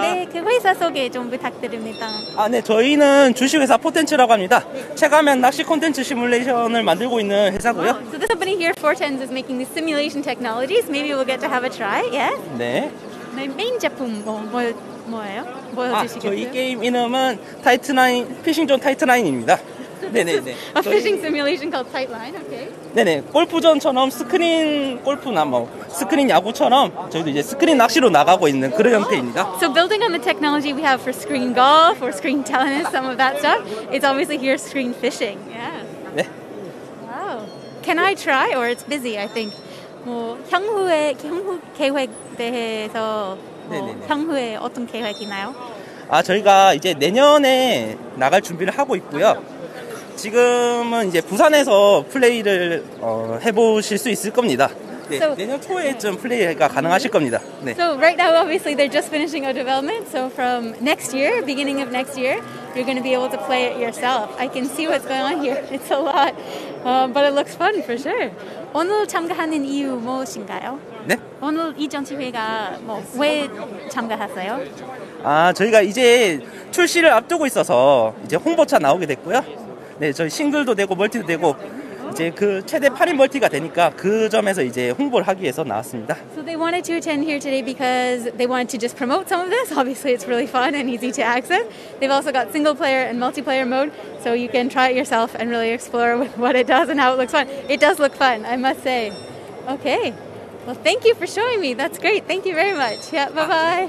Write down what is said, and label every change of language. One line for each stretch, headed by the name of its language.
Korean: 네, 그 회사 소개 좀 부탁드립니다. 아, 네, 저희는 주식회사 포텐츠라고 합니다. 체감형 낚시 콘텐츠 시뮬레이션을 만들고 있는 회사고요.
English: So this company here, Portens, is making the simulation technologies. Maybe we'll get to have a try, yeah?
Korean: 네. 네, 메인 제품 뭐예요? 보여주시겠어요? 아, 저희 게임 이름은 타이트라인, 피싱존 타이트라인입니다. 네네네.
English: A fishing simulation called Tightline, okay.
Korean: 네네. 골프전처럼 스크린 골프나 뭐 스크린 야구처럼 저희도 이제 스크린 낚시로 나가고 있는 그런 형태입니다.
English: So building on the technology we have for screen golf or screen tennis, some of that stuff, it's obviously here screen fishing, yeah.
Korean: 네.
English: Wow. Can I try or it's busy, I think.
Korean: 뭐 향후 계획 대해서 뭐 향후에 어떤 계획이나요? 아, 저희가 이제 내년에 나갈 준비를 하고 있고요. 지금은 이제 부산에서 플레이를 해보실 수 있을 겁니다. 네, so, 내년 초에쯤 플레이가 가능하실 겁니다. 네.
English: So right now, obviously, they're just finishing our development. So from next year, beginning of next year, you're going to be able to play it yourself. I can see what's going on here. It's a lot, but it looks fun for sure.
Korean: 오늘 참가하는 이유 무엇인가요? 네? 오늘 이 전시회가 뭐 왜 참가하세요? 아, 저희가 이제 출시를 앞두고 있어서 이제 홍보차 나오게 됐고요. 네, 저희 싱글도 되고 멀티도 되고 이제 그 최대 8인 멀티가 되니까 그 점에서 이제 홍보를 하기 위해서 나왔습니다.
English: So they wanted to attend here today because they wanted to just promote some of this. Obviously, it's really fun and easy to access. They've also got single player and multiplayer mode, so you can try it yourself and really explore what it does and how it looks fun. It does look fun, I must say. Okay. Well, thank you for showing me. That's great. Thank you very much. Yeah, bye-bye.